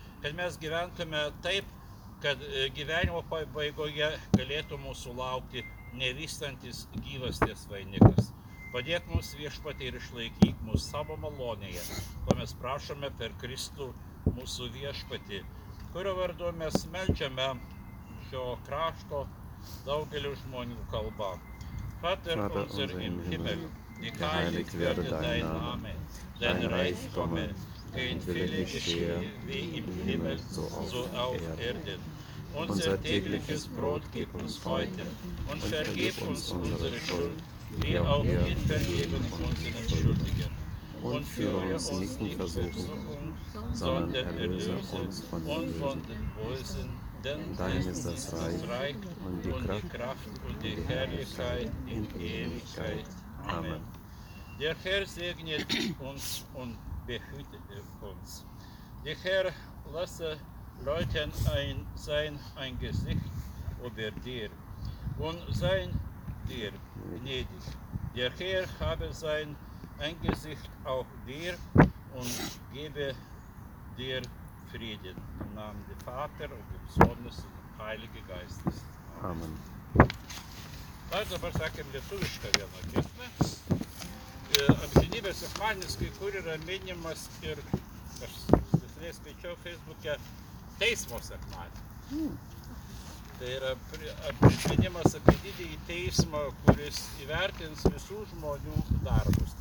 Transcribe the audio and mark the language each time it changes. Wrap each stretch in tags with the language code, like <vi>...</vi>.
<lt>Kad mes gyventume taip, kad gyvenimo pabaigoje galėtų mūsų laukti nevystantis gyvasties vainikas. Padėk mums Viešpatie ir išlaikyk mūsų savo malonėje, ko mes prašome per Kristų mūsų Viešpatį, kurio vardu mes meldžiame šio krašto daugelių žmonių kalba.</lt> <de>Vater unser im Himmel, geheiligt werde dein Name, dein Reich komme, dein Wille geschehe, wie im Himmel, so auf Erden. Unser tägliches Brot gib uns heute und vergib uns unsere Schuld, wie auch wir vergeben unseren Schuldigen. Und führe uns nicht in Versuchung, sondern erlöse uns von den Bösen, denn dein ist das Reich und die Kraft und die Herrlichkeit in Ewigkeit. Amen. Der Herr segne uns und behüte uns. Der Herr lasse leuchten sein Gesicht über dir und sein dir gnädig. Der Herr habe sein Angesicht auf dir und gebe dir Frieden. Im Namen des Vaters und des Sohnes und des Heiligen Geistes. Amen.</de> <lt>Aš dabar sakėm lietuvišką vieną giesmę. Amžinybės sekmadienis kai kur yra minimas ir aš visai skaičiau Facebook'e teismo sekmadienį. Tai yra minimas apie didįjį teismą, kuris įvertins visų žmonių darbus.</lt>